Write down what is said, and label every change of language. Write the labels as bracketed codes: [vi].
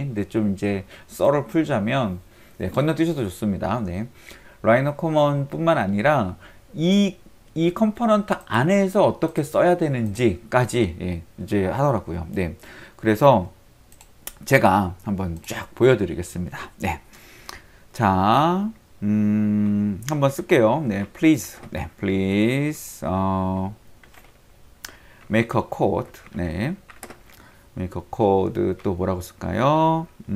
[ko] 근데 좀 이제 썰을 풀자면 네, 건너뛰셔도 좋습니다. 네, 라이노 커먼뿐만 아니라 이 컴포넌트 안에서 어떻게 써야 되는지까지 예, 이제 하더라고요. 네, 그래서 제가 한번 쫙 보여드리겠습니다. 네, 자, 한번 쓸게요. [en] 네, please, 네, please, make a code. [ko] 네, [en] make a code [ko] 또 뭐라고 쓸까요?